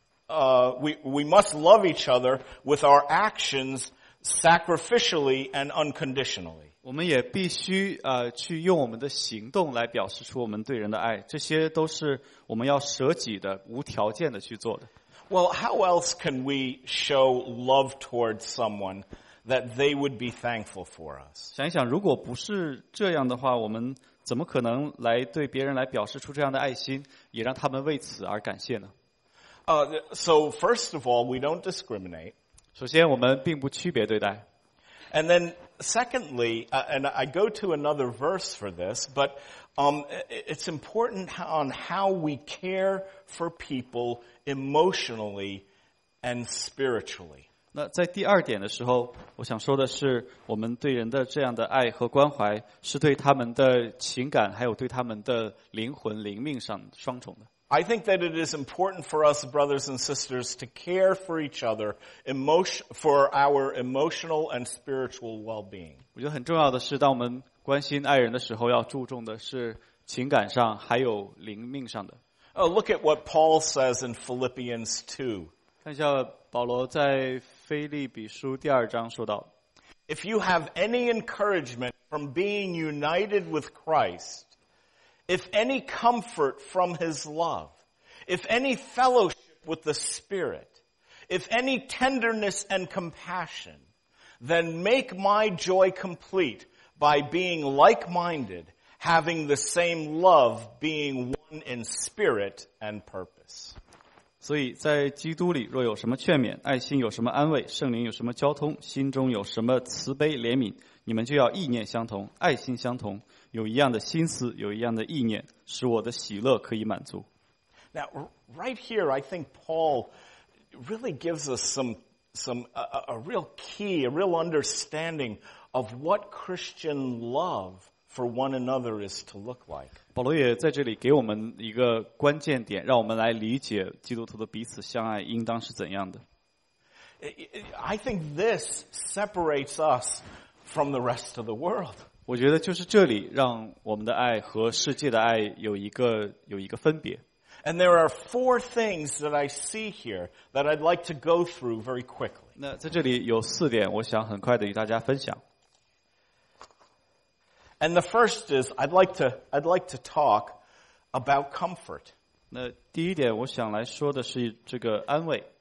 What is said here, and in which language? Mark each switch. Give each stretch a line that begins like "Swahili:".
English: We must love each other with our actions sacrificially and unconditionally.
Chinese: 我们也必须去用我们的行动来表示出我们对人的爱，这些都是我们要舍己的，无条件的去做的。
English: Well, how else can we show love towards someone that they would be thankful for us?
Chinese: 想一想，如果不是这样的话，我们怎么可能来对别人来表示出这样的爱心，也让他们为此而感谢呢？
English: So first of all, we don't discriminate.
Chinese: 首先，我们并不区别对待。
English: And then secondly, and I go to another verse for this, but it's important on how we care for people emotionally and spiritually.
Chinese: 那在第二点的时候，我想说的是，我们对人的这样的爱和关怀，是对他们的情感，还有对他们的灵魂、灵命上双重的。
English: I think that it is important for us, brothers and sisters, to care for each other, for our emotional and spiritual well-being.
Chinese: 我觉得很重要的是，当我们关心爱人的时候，要注重的是情感上，还有灵命上的。
English: Look at what Paul says in Philippians 2.
Chinese: 看一下保罗在腓立比书第二章说到。
English: If you have any encouragement from being united with Christ, if any comfort from his love, if any fellowship with the Spirit, if any tenderness and compassion, then make my joy complete by being like-minded, having the same love, being one in spirit and purpose.
Chinese: 所以在基督里若有什么劝勉，爱心有什么安慰，圣灵有什么交通，心中有什么慈悲怜悯，你们就要意念相同，爱心相同，有一样的心思，有一样的意念，使我的喜乐可以满足。
English: Now right here I think Paul really gives us a real key, a real understanding of what Christian love for one another is to look like.
Chinese: 保罗也在这里给我们一个关键点，让我们来理解基督徒的彼此相爱应当是怎样的。
English: I think this separates us from the rest of the world.
Chinese: 我觉得就是这里让我们的爱和世界的爱有一个分别。
English: And there are four things that I see here that I'd like to go through very quickly.
Chinese: 那在这里有四点我想很快的与大家分享。
English: And the first is I'd like to talk about comfort.
Chinese: 那第一点我想来说的是这个安慰。